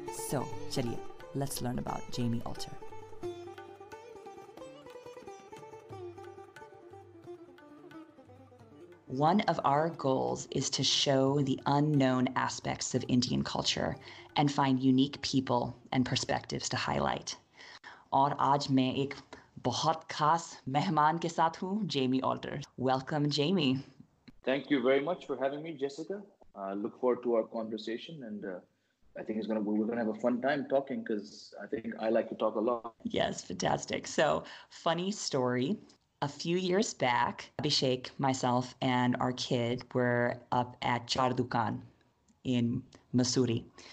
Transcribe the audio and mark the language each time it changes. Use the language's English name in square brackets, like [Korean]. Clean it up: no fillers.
[English] So, Chaliye, let's learn about Jamie Alter. One of our goals is to show the unknown aspects of Indian culture and find unique people and perspectives to highlight. [Hindi] और आज मैं एक बहुत खास मेहमान के साथ हूँ, Jamie Alter. [English] Welcome, Jamie. Thank you very much for having me, Jessica. I look forward to our conversation, and I think we're going to have a fun time talking, because I think I like to talk a lot. Yes, fantastic. So, funny story. A few years back, Abhishek, myself, and our kid were up at Chardukan in Mussoorie.